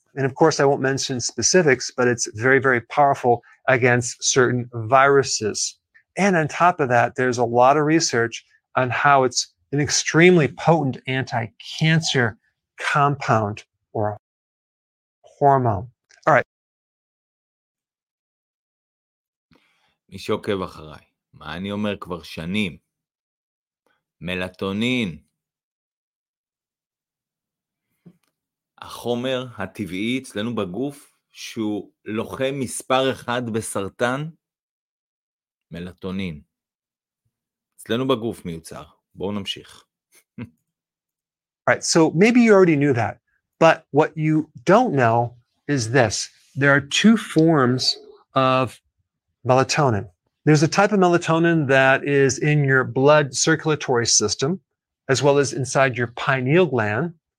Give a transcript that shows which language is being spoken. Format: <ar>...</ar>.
<en>And of course, I won't mention specifics, but it's very, very powerful against certain viruses. And on top of that, there's a lot of research on how it's an extremely potent anti-cancer compound or hormone. All right.</en> <he>מי שעוקב אחריי, מה אני אומר כבר שנים? מלטונין. החומר הטבעי אצלנו בגוף שהוא לוחם מספר אחד בסרטן, מלטונין. אצלנו בגוף מיוצר. בואו נמשיך.</he> <en>All right, so maybe you already knew that, but what you don't know is this. There are two forms of melatonin. There's a type of melatonin that is in your blood circulatory system, as well as inside your pineal gland.</en>